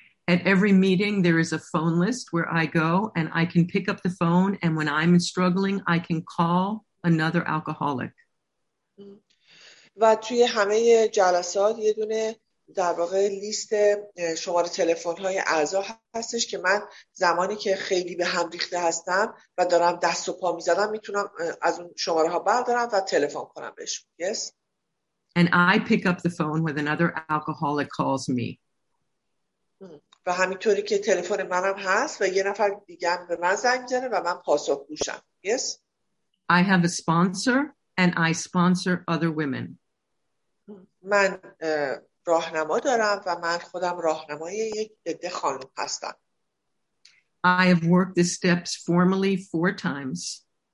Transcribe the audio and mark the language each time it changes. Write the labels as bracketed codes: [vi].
[en] At every meeting, there is a phone list where I go and I can pick up the phone. And when I'm struggling, I can call another alcoholic. [fa] و توی همه جلسات یه دونه در واقع لیست شماره تلفن‌های اعضا هستش که من زمانی که خیلی به هم ریخته هستم و دارم دست و پا می‌زنم میتونم از اون شماره‌ها بردارم و تلفن کنم بهش. [en] Yes? And I pick up the phone when another alcoholic calls me. [fa] و همینطوری که تلفن منم هست و یه نفر دیگه به من زنگ زنه و من پاسخ گوشم. [en] Yes? I have a sponsor and I sponsor other women. [fa] من راهنما دارم و من خودم راهنمای یک عده خانم هستم. [en] I have worked the steps formally 4 times.